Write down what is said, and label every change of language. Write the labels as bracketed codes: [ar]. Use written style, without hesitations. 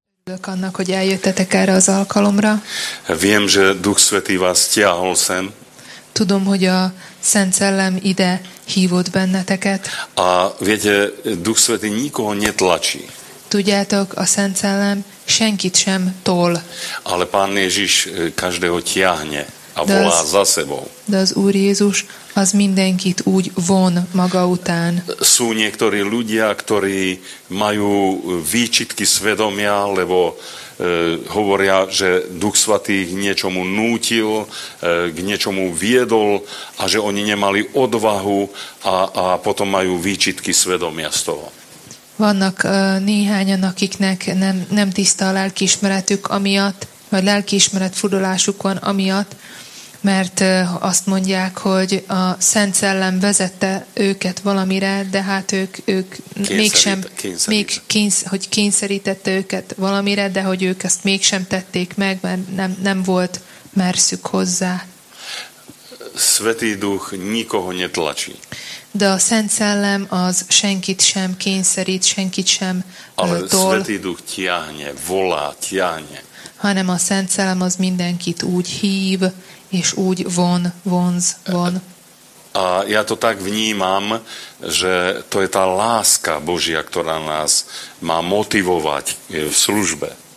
[hu] Örülök annak, hogy eljöttetek erre az alkalomra. [sk] Viem, že Duch Svätý vás tiahol sem. [hu] Tudom, hogy a Szent Szellem ide hívott benneteket. [sk] A viete, Duch Svätý nikoho netlačí. [hu] Tudjátok, a Szent Szellem senkit sem tol. [sk] Ale Pán Ježiš každého tiahne a volá za sebou. [hu] De az Úr Jézus az mindenkit úgy von maga után. [sk] Sú niektorí ľudia, ktorí majú výčitky svedomia, lebo hovoria, že Duch Svätý ich niečomu nútil, k niečomu viedol a že oni nemali odvahu a potom majú výčitky svedomia z toho. [hu] Vannak néhányan, akiknek nem tiszta a lelkiismeretük amiatt, vagy lelkiismeret furdalásuk van amiatt, mert azt mondják, hogy a Szent Szellem vezette őket valamire, de hát ők mégsem, hogy kényszerítette őket valamire, de hogy ők ezt mégsem tették meg, mert nem volt merszük hozzá. [sk] Svätý Duch nikoho netlačí. [hu] De a Szent Szellem az senkit sem kényszerít, senkit sem tol. [sk] Ale Svätý Duch tiahne, volá, tiahne. [hu] Hanem a Szent Szellem az mindenkit úgy hív, és úgy von, vonz, von. [sk] A ja to tak vnímam, že to je tá láska Božia, ktorá nás má motivovať v službe.